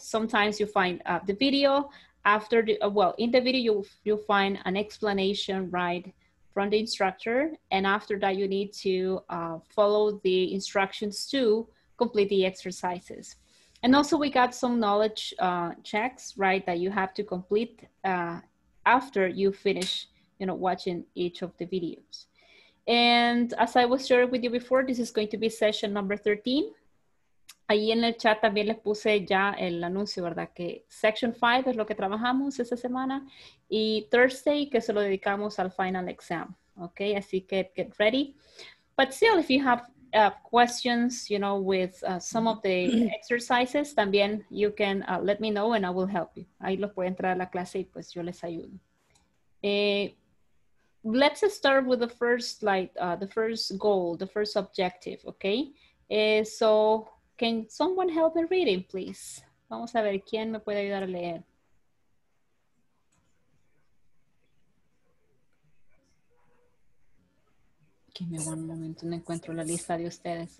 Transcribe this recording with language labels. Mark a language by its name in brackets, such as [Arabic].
[English] Sometimes you find the video, in the video you'll find an explanation right from the instructor, and after that you need to follow the instructions to complete the exercises. And also we got some knowledge checks, right, that you have to complete after you finish, you know, watching each of the videos. And as I was sharing with you before, this is going to be session number 13. [Spanish] Ahí en el chat también les puse ya el anuncio, ¿verdad? Que section 5 es lo que trabajamos esa semana. Y Thursday, que se lo dedicamos al final exam. Okay, así que [English] get ready. But still, if you have questions, you know, with some of the exercises, [Spanish] también [English] you can let me know and I will help you. [Spanish] Ahí los puede entrar a la clase y pues yo les ayudo. [English] Let's start with the first, the first goal, the first objective, okay? So... Can someone help me reading, please? [Spanish] Vamos a ver, ¿quién me puede ayudar a leer? [English] Give me one moment, [Spanish] no encuentro la lista de ustedes.